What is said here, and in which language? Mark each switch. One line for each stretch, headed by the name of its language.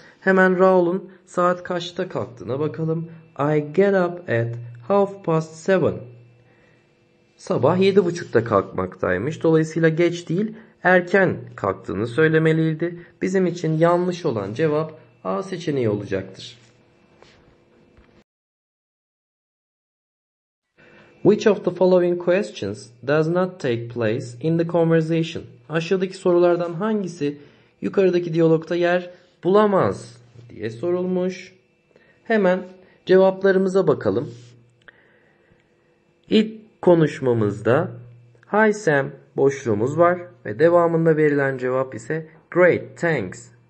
Turkish: Hemen Raul'un saat kaçta kalktığına bakalım.
English: I get up at 7:30.
Turkish: Sabah 7:30'da kalkmaktaymış. Dolayısıyla geç değil, erken kalktığını söylemeliydi. Bizim için yanlış olan cevap A seçeneği olacaktır.
English: Which of the following questions does not take place in the conversation?
Turkish: Aşağıdaki sorulardan hangisi yukarıdaki diyalogta yer bulamaz diye sorulmuş. Hemen cevaplarımıza bakalım. İlk konuşmamızda
English: Hi Sam
Turkish: boşluğumuz var ve devamında verilen cevap ise
English: Great, thanks.